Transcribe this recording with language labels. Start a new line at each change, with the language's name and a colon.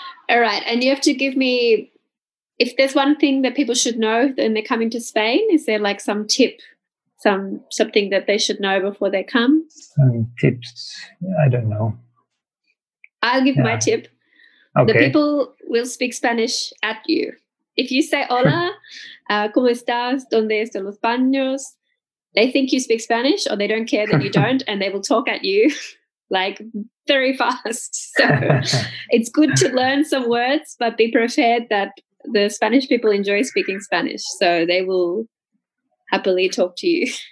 English: All right, and you have to give me, if there's one thing that people should know when they're coming to Spain, is there some tip something that they should know before they come? Some tips? I don't know. I'll give my tip. Okay. The people will speak Spanish at you. If you say
Spanish: hola, ¿cómo estás? ¿Dónde están los baños?
English: They think you speak Spanish, or they don't care that you don't, and they will talk at you like very fast. So it's good to learn some words, but be prepared that the Spanish people enjoy speaking Spanish, so they will happily talk to you.